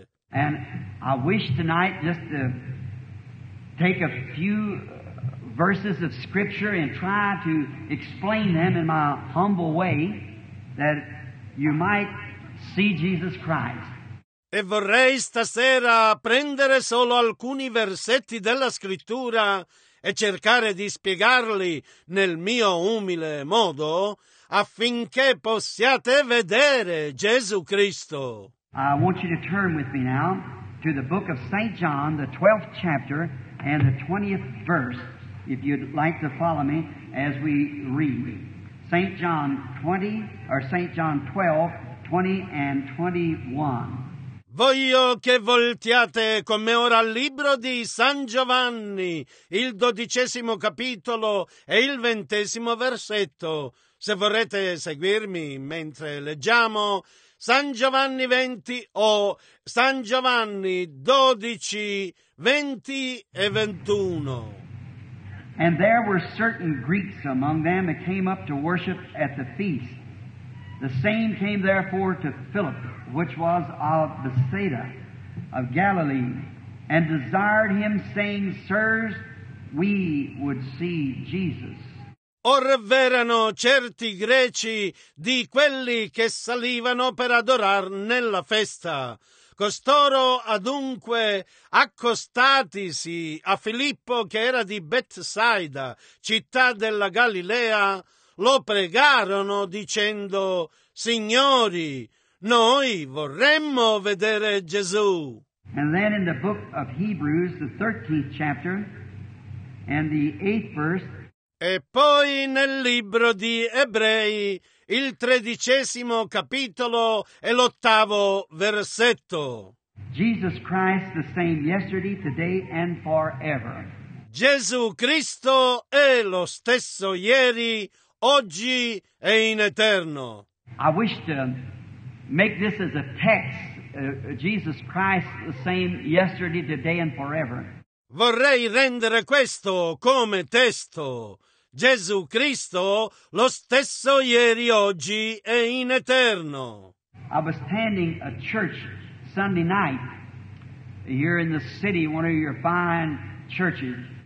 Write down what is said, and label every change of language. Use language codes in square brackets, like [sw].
[en] And I wish tonight just to take a few verses of scripture and try to explain them in my humble way, that you might see Jesus Christ. [it] E vorrei stasera prendere solo alcuni versetti della Scrittura e cercare di spiegarli nel mio umile modo, affinché possiate vedere Gesù Cristo. [en] I want you to turn with me now to the book of St. John, the 12th chapter and the 20th verse, if you'd like to follow me as we read. St. John 20, or St. John 12, 20 and 21. [it] Voglio che voltiate con me ora al libro di San Giovanni, il 12° capitolo e il 20° versetto. Se vorrete seguirmi mentre leggiamo San Giovanni 20 o San Giovanni 12, 20 e 21. [en] And there were certain Greeks among them that came up to worship at the feast. The same came therefore to Philip, which was of Bethsaida, of Galilee, and desired him, saying, Sirs, we would see Jesus. [it] Or v'erano certi greci di quelli che salivano per adorar nella festa. Costoro adunque accostatisi a Filippo, che era di Bethsaida, città della Galilea, lo pregarono dicendo, Signori, noi vorremmo vedere Gesù. [en] And then in the book of Hebrews, the 13th chapter and the 8th verse. [it] E poi nel libro di Ebrei, il 13° capitolo e l'8° versetto. [en] Jesus Christ the same yesterday, today and forever. [it] Gesù Cristo è lo stesso ieri, oggi e in eterno. [en] I wish to make this as a text Jesus Christ the same yesterday, today and forever. [it] Vorrei rendere questo come testo. Gesù Cristo lo stesso ieri, oggi e in eterno. [en] I was attending a church Sunday night here in the city, one of your fine churches.